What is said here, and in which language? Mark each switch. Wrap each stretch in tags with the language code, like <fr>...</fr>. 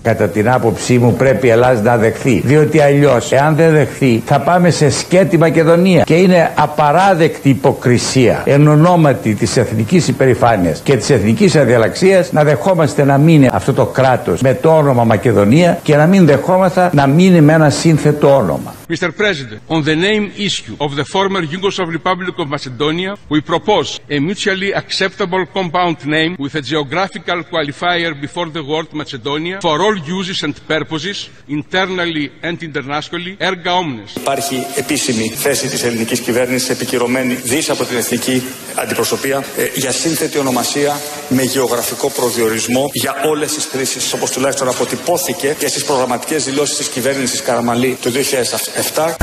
<el>Κατά την άποψή μου πρέπει η Ελλάδα να δεχθεί, διότι αλλιώς, εάν δεν δεχθεί, θα πάμε σε σκέτη Μακεδονία και είναι απαράδεκτη υποκρισία εν ονόματι της εθνικής υπερηφάνειας και της εθνικής αδιαλαξίας να δεχόμαστε να μείνει αυτό το κράτος με το όνομα Μακεδονία και να μην δεχόμαστε να μείνει με ένα σύνθετο όνομα.</el> <en>Mr. President, on the name issue of the former Yugoslav Republic of Macedonia, we propose a mutually acceptable compound name with a geographical qualifier before the word Macedonia for all uses and purposes, internally and internationally, erga omnes.</en> <el>Υπάρχει επίσημη θέση της ελληνικής κυβέρνησης επικυρωμένη δις από την εθνική αντιπροσωπεία για σύνθετη ονομασία με γεωγραφικό προδιορισμό για όλες τις κρίσεις, όπως τουλάχιστον αποτυπώθηκε και στις προγραμματικές δηλώσεις της κυβέρνησης Καραμαλή το 2007.</el>